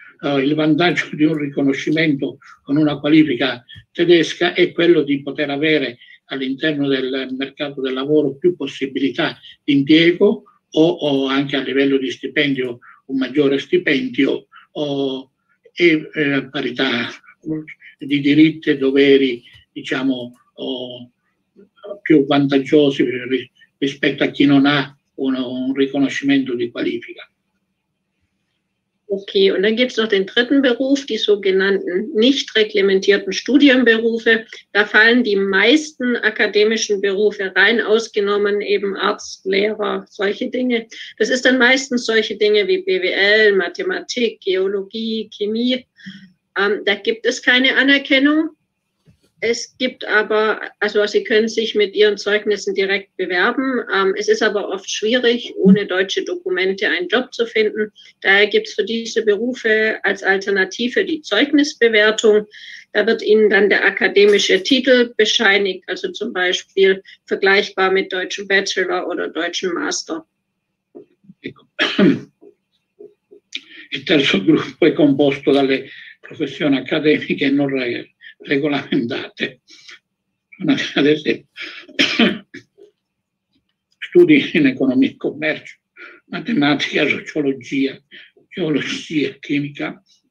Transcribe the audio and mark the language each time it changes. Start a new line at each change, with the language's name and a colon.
Italian: Il vantaggio di un riconoscimento con una qualifica tedesca è quello di poter avere all'interno del mercato del lavoro più possibilità di impiego o anche a livello di stipendio, un maggiore stipendio e parità di diritti e doveri, diciamo, più vantaggiosi rispetto a chi non ha un riconoscimento di qualifica.
German: Okay, und dann gibt es noch den dritten Beruf, die sogenannten nicht reglementierten Studienberufe. Da fallen die meisten akademischen Berufe rein, ausgenommen eben Arzt, Lehrer, solche Dinge. Das ist dann meistens solche Dinge wie BWL, Mathematik, Geologie, Chemie. Da gibt es keine Anerkennung. Es gibt aber, also Sie können sich mit Ihren Zeugnissen direkt bewerben. Es ist aber oft schwierig, ohne deutsche Dokumente einen Job zu finden. Daher gibt es für diese Berufe als Alternative die Zeugnisbewertung. Da wird Ihnen dann der akademische Titel bescheinigt, also zum Beispiel vergleichbar mit deutschem Bachelor oder deutschem Master.
Italian: Il terzo gruppo è composto dalle professioni accademiche non regolamentate. Sono ad esempio studi in economia e commercio, matematica, sociologia, geologia, chimica.